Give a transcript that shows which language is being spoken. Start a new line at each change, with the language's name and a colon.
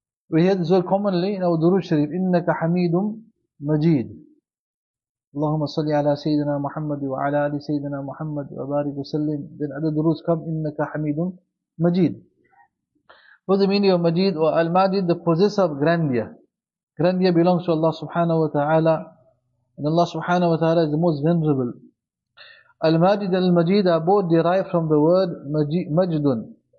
English: We hear this word commonly in our Durood Sharif,
Arabic: إِنَّكَ حَمِيدٌ مَجِيد. اللهم صل على سيدنا محمد وعلى آل سيدنا محمد وبارك وسلم.
English: Then other durus come,
Arabic: إنك حميد مجيد.
English: What is the meaning of Majid? Or Al-Majid, the possessor of grandeur. Grandeur belongs to Allah subhanahu wa ta'ala. And Allah subhanahu wa ta'ala is the most venerable. Al-Majid and Al-Majid are both derived from the word Majdun.